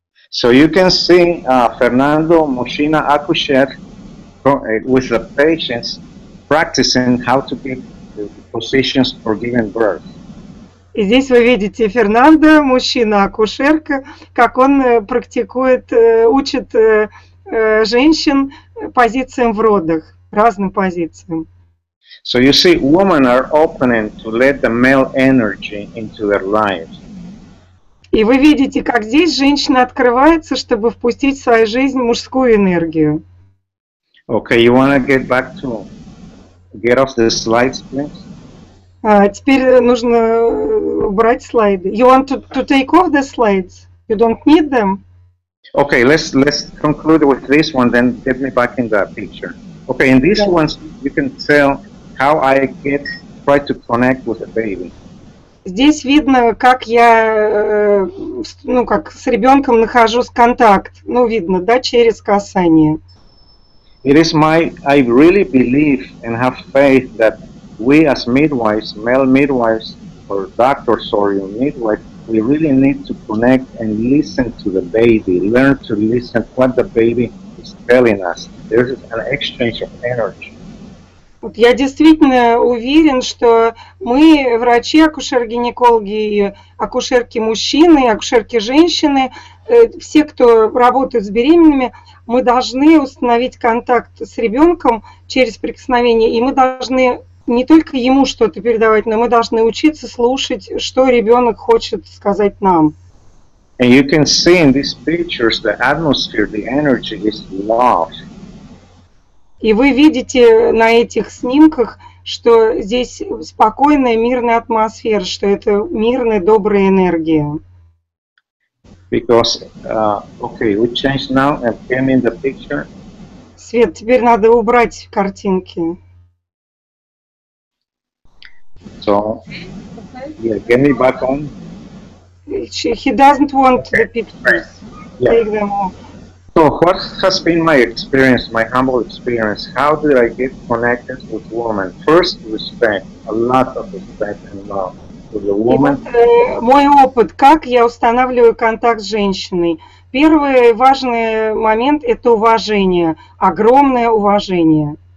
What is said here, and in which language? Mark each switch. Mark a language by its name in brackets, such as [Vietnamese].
[English] So you can see Fernando, [Russian] мужчина, акушер, [English] with the patients, practicing how to give positions for giving birth. [Russian] И здесь вы видите Фернандо, мужчина-акушерка, как он практикует, учит женщин позициям в родах, разным позициям. [English] So you see, women are opening to let the male energy into their lives. [Russian] И вы видите, как здесь женщина открывается, чтобы впустить в свою жизнь мужскую энергию. [English] Okay, you want to get back to... Get off the slides, please. [Russian] Теперь нужно убрать слайды. [English] You want to take off the slides? You don't need them? Okay, let's conclude with this one, then get me back in that picture. Okay, in these ones you can tell how I try to connect with the baby. [Russian] Здесь видно, как я, с ребенком нахожусь контакт. Ну, видно, да, через касание. [English] It is I really believe and have faith that we as midwives, male midwives, or doctors, or your midwife, we really need to connect and listen to the baby, learn to listen to what the baby is telling us. There is an exchange of energy. [Russian] Вот я действительно уверен, что мы, врачи, акушер-гинекологи, акушерки-мужчины, акушерки-женщины, все, кто работает с беременными, мы должны установить контакт с ребенком через прикосновение, и мы должны не только ему что-то передавать, но мы должны учиться слушать, что ребенок хочет сказать нам. [English] And you can see in these pictures the atmosphere, the energy is love. [Russian] И вы видите на этих снимках, что здесь спокойная, мирная атмосфера, что это мирная, добрая энергия. [English] Because, okay, we changed now and came in the picture. [Russian] Свет, теперь надо убрать картинки. [English] So, yeah, get me back on. He doesn't want the pictures. Yeah. Take them off. So what has been my experience, my humble experience? How did I get connected with women? First, respect, a lot of respect and love for the woman. [Russian] Мой опыт, как я устанавливаю контакт с женщиной. Первый важный момент – это уважение, огромное уважение.